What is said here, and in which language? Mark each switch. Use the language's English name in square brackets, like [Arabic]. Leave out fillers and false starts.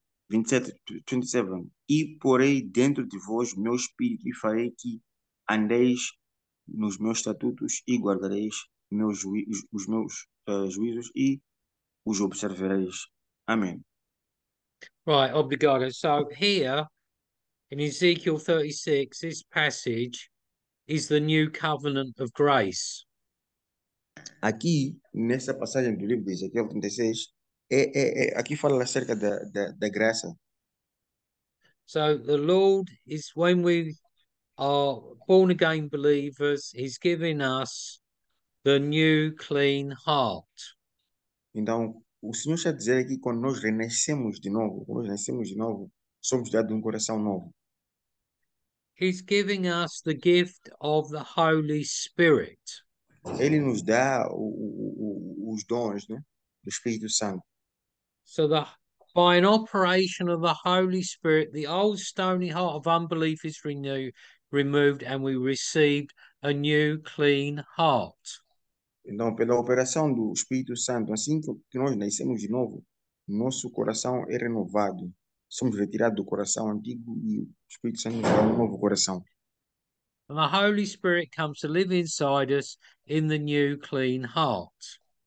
[Portuguese] 27, 27. E porei dentro de vós meu espírito e farei que andeis nos meus estatutos e guardareis os meus juízos e os observareis. Amém. [English] Right, [Portuguese] obrigado. [English] So here in Ezekiel 36, this passage is the new covenant of grace. [Portuguese] Aqui, nessa passagem do livro de Ezequiel 36, aqui fala acerca da graça. [English] So the Lord is, when we are born again believers, he's giving us the new clean heart. [Portuguese] Então, o Senhor está a dizer aqui que quando nós renascemos de novo, somos dados um coração novo. [English] He's giving us the gift of the Holy Spirit. [Portuguese] Ele nos dá os dons, né, do Espírito Santo. [English] So the by an operation of the Holy Spirit, the old stony heart of unbelief is removed, and we received a new clean heart. [Portuguese] Então, pela operação do Espírito Santo, assim que nós nascemos de novo, nosso coração é renovado. Somos retirados do coração antigo e o Espírito Santo nos dá um novo coração. [English] And the Holy Spirit comes to live inside us in the new clean heart.